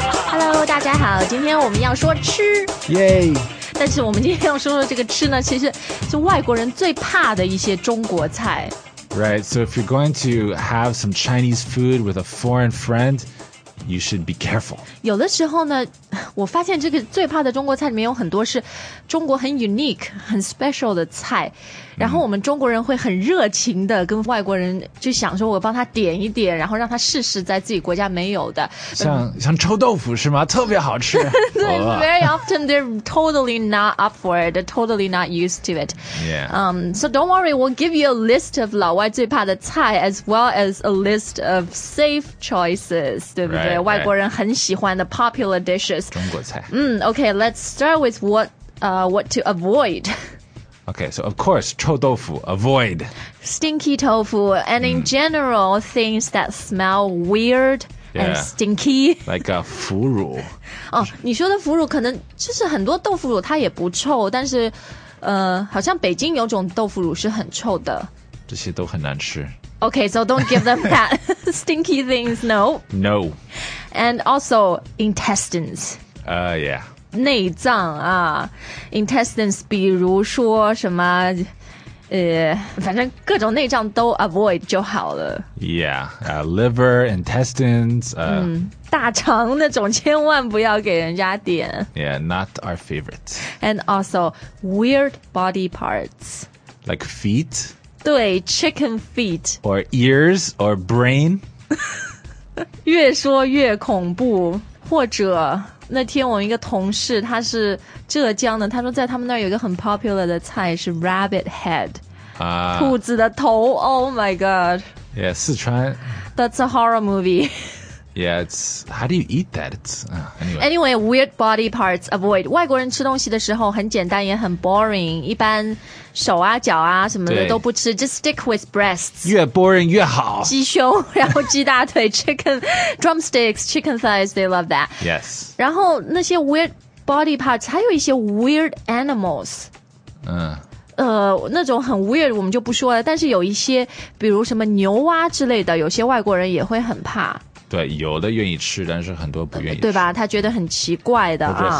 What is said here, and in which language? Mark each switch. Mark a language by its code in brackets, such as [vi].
[en] Hello， [zh] 大家好，今天我们要说吃。耶！但是我们今天要说的这个吃呢，其实是外国人最怕的一些中国菜。 [en] Right. So if you're going to have some Chinese food with a foreign friend. You should be careful. [zh] 有的时候呢，我发现这个最怕的中国菜里面有很多是中国很 unique、很 special 的菜，然后我们中国人会很热情的跟外国人就想说，我帮他点一点，然后让他试试在自己国家没有的。像臭豆腐是吗？特别好吃。对、oh. [en] ，very often they're totally not up for it, totally not used to it. Yeah. So don't worry, we'll give you a list of [zh] 老外最怕的菜 [en] as well as a list of safe choices. [zh] 对不对？ [en] Right, [zh] 外国人很喜欢的 [en] popular dishes. [zh] 中国菜。 [en] Okay, let's start with what to avoid. Okay, so of course, 臭豆腐, avoid. Stinky tofu, and in general, things that smell weird and stinky. Like a 腐乳. [zh] Oh, 你说的腐乳可能就是很多豆腐乳它也不臭,但是好像北京有种豆腐乳是很臭的。这些都很难吃。 [en] Okay, so don't give them that. Stinky things, no. No. And also intestines. Yeah. [zh] 内脏啊 ，intestines， 比如说什么，反正各种内脏都 avoid 就好了。 [en] Yeah, liver, intestines, [zh] 大肠那种千万不要给人家点。 [en] Yeah, not our favorite. And also weird body parts, like feet. 对 ，chicken feet. Or ears or brain. [zh] 越说越恐怖，或者。那天我一个同事他是浙江的他说在他们那儿有一个很 popular 的菜是 [en] rabbit head、 [zh] 兔子的头 [en] Oh my god Yeah, 四川 That's a horror movie Yeah, it's How do you eat that? It's, anyway, weird body parts avoid [zh] 外国人吃东西的时候很简单也很 boring 一般手啊脚啊什么的都不吃 [en] Just stick with breasts [zh] 越 boring 越好鸡胸然后鸡大腿 [en] Chicken drumsticks Chicken thighs They love that Yes [zh] 然后那些 [en] weird body parts [zh] 还有一些 [en] weird animals [zh] 那种很 weird 我们就不说了但是有一些比如什么牛蛙之类的有些外国人也会很怕对有的愿意吃但是很多不愿意吃对吧他觉得很奇怪的啊，